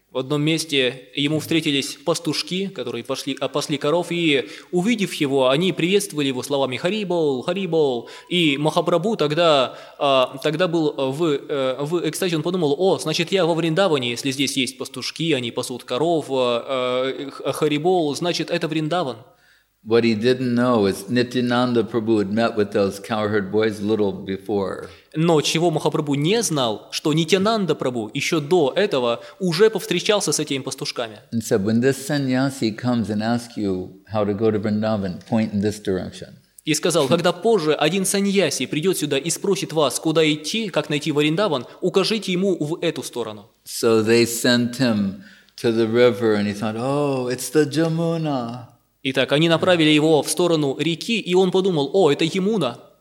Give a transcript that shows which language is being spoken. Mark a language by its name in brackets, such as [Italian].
[Russian] В одном месте ему встретились пастушки, которые пасли коров, и, увидев его, они приветствовали его словами «Харибол! Харибол!». И Махапрабху тогда был в экстазе, он подумал, «О, значит, я во Вриндаване, если здесь есть пастушки, они пасут коров, Харибол, значит, это Вриндаван». [English] What he didn't know is Nityananda Prabhu had met with those cowherd boys little before. [Russian] Но чего Махапрабху не знал, что Нитянанда Прабху еще до этого уже повстречался с этими пастушками. [English] And said, when this sannyasi comes and asks you how to go to Vrindavan, point in this direction. [Russian] И сказал, когда позже один саньяси придет сюда и спросит вас, куда идти, как найти Вриндаван, укажите ему в эту сторону. [English] So they sent him to the river, and he thought, oh, it's the Jamuna. [Russian] Итак, они направили его в сторону реки, и он подумал, о, это Ямуна.